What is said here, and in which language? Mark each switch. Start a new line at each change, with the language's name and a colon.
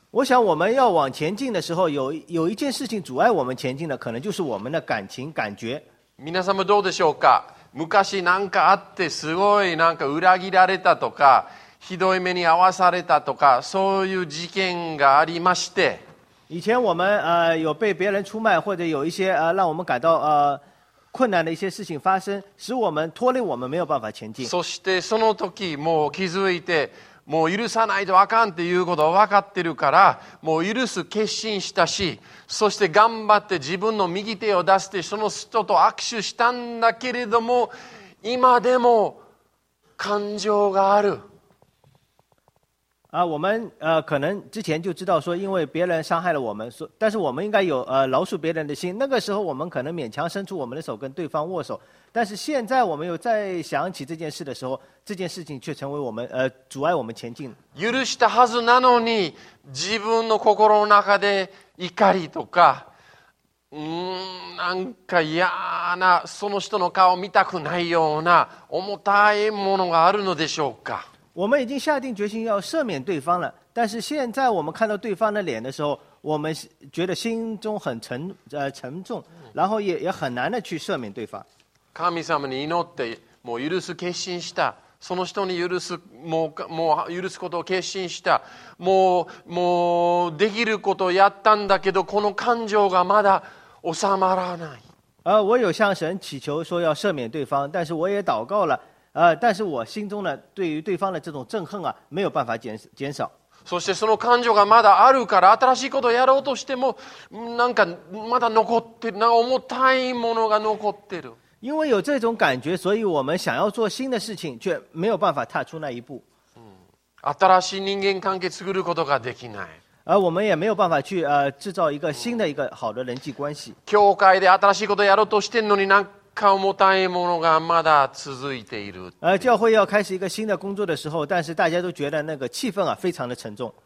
Chinese: 我想我们要往前进的时候，有一件事情阻碍我们前进的，可能就是我们的感情感觉。
Japanese: 皆様どうでしょうか。昔なんかあってすごいなんか裏切られたとか、ひどい目に遭わされたとか、そういう事件がありまして。
Chinese: 以前我们有被别人出卖，或者有一些让我们感到困难的一些事情发生，使我们拖累我们没有办法前进。
Japanese: そしてその時もう気づいて。もう許さないとあかんっていうことは分かってるから、もう許す決心したし、そして頑張って自分の右手を出してその人と握手したんだけれども、今でも感情がある。
Chinese: 我们可能之前就知道说因为别人伤害了我们，但是我们应该有饶恕别人的心，那个时候我们可能勉强伸出我们的手跟对方握手，但是现在我们又再想起这件事的时候，这件事情却成为我们阻碍我们前进。
Japanese: 許したはずなのに自分の心の中で怒りとか、なんか嫌なその人の顔見たくないような重たいものがあるのでしょうか。
Chinese: 我们已经下定决心要赦免对方了，但是现在我们看到对方的脸的时候，我们觉得心中很 沉重，然后 也很难的去赦免对方。
Japanese: 神様に祈ってもう許す決心した、その人に許す、もう許すことを決心した、もうできることをやったんだけど、この感情がまだ収まらない。
Chinese: 我有向神祈求说要赦免对方，但是我也祷告了，但是我心中呢，对于对方的这种憎恨啊，没有办法减少。
Japanese: そしてその感情がまだあるから、新しいことをやろうとしても、なんかまだ残ってる、なんか重たいものが残ってる。
Chinese: 因为有这种感觉，所以我们想要做新的事情，却没有办法踏出那一步。
Japanese: 新しい人間関係作ることができない。
Chinese: 我们也没有办法去制造一个新的一个好的人际关系。
Japanese: 教会で新しいことをやろうとしてるのに、なんか重たいものがまだ続いている。
Chinese: 教会要开始一个新的工作的时候，但是大家都觉得那个气氛啊非常的沉重。